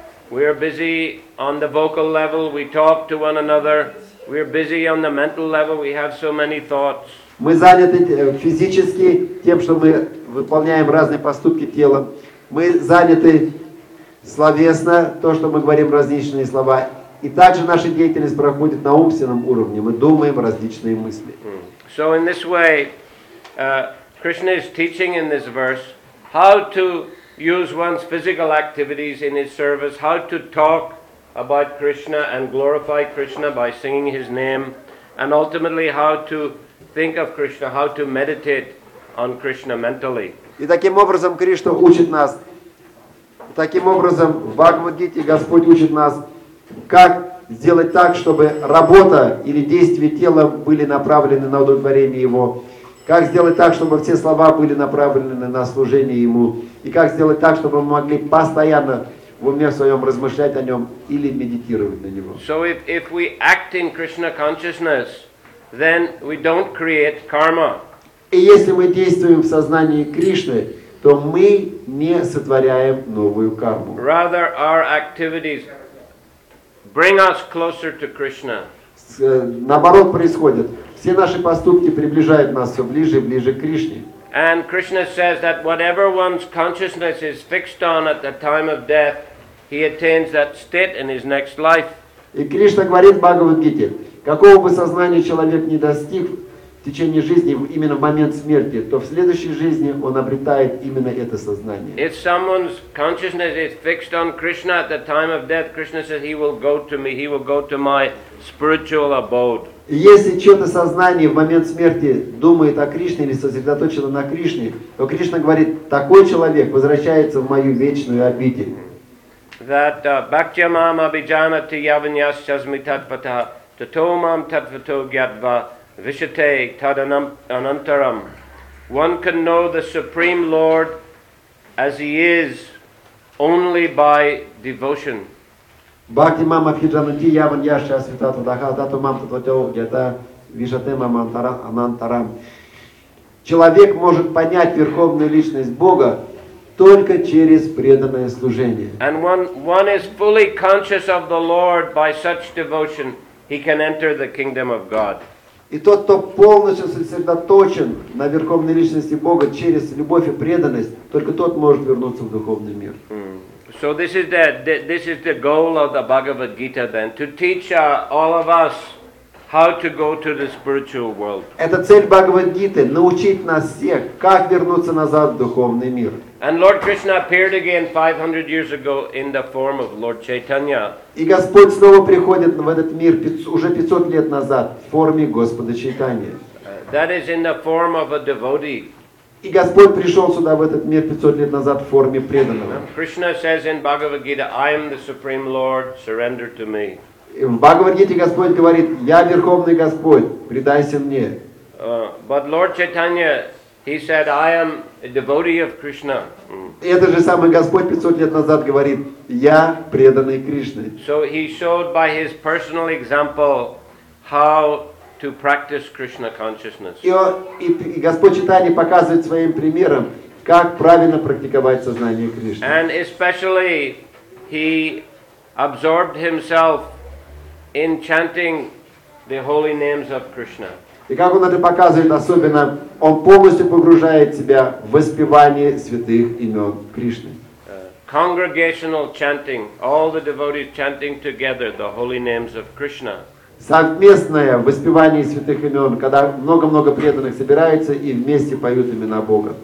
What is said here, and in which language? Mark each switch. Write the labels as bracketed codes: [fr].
[en] We are busy on the vocal level. We talk to one another. We are busy on the mental level. We have so many thoughts. [ru] Мы заняты физически тем, что мы выполняем разные поступки тела. Мы заняты словесно, то, что мы говорим различные слова. И также наша деятельность проходит на умственном уровне. Мы думаем различные мысли. [en] So in this way, Krishna is teaching in this verse how to use one's physical activities in his service, how to talk about Krishna and glorify Krishna by singing his name, and ultimately how to think of Krishna, how to meditate on Krishna mentally. [ru] И таким образом Кришна учит нас. Таким образом в Бхагавад-гите Господь учит нас, как сделать так, чтобы работа или действия тела были направлены на удовлетворение Его. Как сделать так, чтобы все слова были направлены на служение Ему. И как сделать так, чтобы мы могли постоянно в уме своем размышлять о Нем или медитировать на Него. [en] So if we act in Krishna consciousness, then we don't create karma. [ru] И если мы действуем в сознании Кришны, то мы не сотворяем новую карму. [en] Rather, our activities bring us closer to Krishna. [ru] Наоборот происходит. Все наши поступки приближают нас все ближе и ближе к Кришне. [en] And Krishna says that whatever one's consciousness is fixed on at the time of death, he attains that state in his next life. [ru] И Кришна говорит Бхагавад-гите, какого бы сознания человек не достиг в течение жизни, именно в момент смерти, то в следующей жизни он обретает именно это сознание. [en] If someone's consciousness is fixed on Krishna at the time of death, Krishna says he will go to me, he will go to my spiritual abode. [ru] Если чье-то сознание в момент смерти думает о Кришне или сосредоточено на Кришне, то Кришна говорит, такой человек возвращается в мою вечную обитель. [sa] That bhakya mam abhijanati yavanyas chasmi tat patah. Tatomam tatvato gyatva vishate tad anantaram. [en] One can know the Supreme Lord as he is only by devotion. [sa] Bhakti mama phidranati yavan yasya svitata daha tatomam tatvato gyata vishate mam anantaram. [ru] Человек может понять верховную личность Бога только через преданное служение. [en] And one is fully conscious of the Lord by such devotion. He can enter the kingdom of God. [ru] И тот, кто полностью сосредоточен на верховной личности Бога через любовь и преданность, только тот может вернуться в духовный мир. Mm. [en] So this is the goal of the Bhagavad Gita then, to teach all of us how to go to the spiritual world. [ru] Это цель Бхагавад Гиты, научить нас всех, как вернуться назад в духовный мир. [en] And Lord Krishna appeared again 500 years ago in the form of Lord Chaitanya. [ru] И Господь снова приходит в этот мир уже 500 лет назад в форме Господа Чайтаньи. [en] That is in the form of a devotee. [ru] И Господь пришел сюда в этот мир 500 лет назад в форме преданного. [en] Krishna says in Bhagavad Gita, I am the Supreme Lord, surrender to me. [ru] В Бхагавад-гите Господь говорит, я Верховный Господь, предайся мне. [en] But Lord Chaitanya, he said, I am a devotee of Krishna. [ru] И это же самый Господь 500 лет назад говорит, я преданный Кришне. [en] So he showed by his personal example how to practice Krishna consciousness. [ru] И Господь Chaitanya показывает своим примером, как правильно практиковать сознание Кришны. [en] And especially he absorbed himself in chanting the holy names of Krishna. [ru] И как он это показывает, особенно он полностью погружает себя в воспевание святых имен Кришны. [en] Congregational chanting, all the devotees chanting together the holy names of Krishna. [ru] Совместное воспевание святых имен, когда много-много преданных собираются и вместе поют имена Бога.